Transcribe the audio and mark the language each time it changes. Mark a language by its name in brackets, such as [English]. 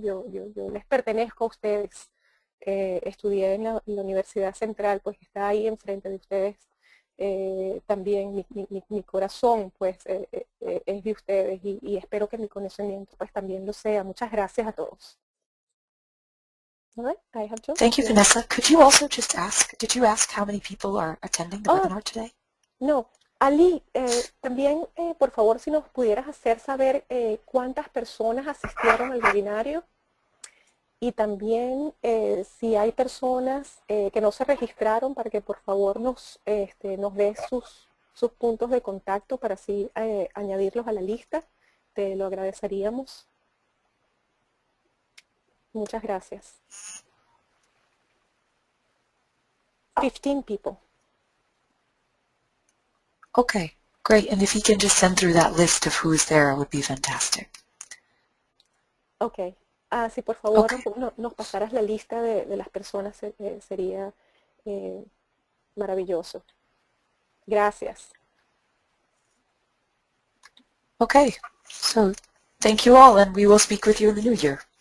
[Spanish] Yo les pertenezco a ustedes. Estudié en la Universidad Central, pues está ahí enfrente de ustedes. También mi corazón pues es de ustedes y espero que mi conocimiento pues también lo sea. Muchas gracias a todos. [English] Right, I have just... Thank you, Vanessa. Could you also just ask, did you ask how many people are attending the webinar today? No. [Spanish] Ali, también por favor si nos pudieras hacer saber cuántas personas asistieron al webinario y también si hay personas que no se registraron para que por favor nos nos dé sus, sus puntos de contacto para así añadirlos a la lista. Te lo agradeceríamos. Muchas gracias. [English] 15 people. Okay, great. And if you can just send through that list of who is there, it would be fantastic. [Spanish] Okay. Ah, sí, por [English] Okay. [Spanish] favor, no, nos pasaras la lista de las personas, sería maravilloso. Gracias. [English] Okay. So, thank you all, and we will speak with you in the new year.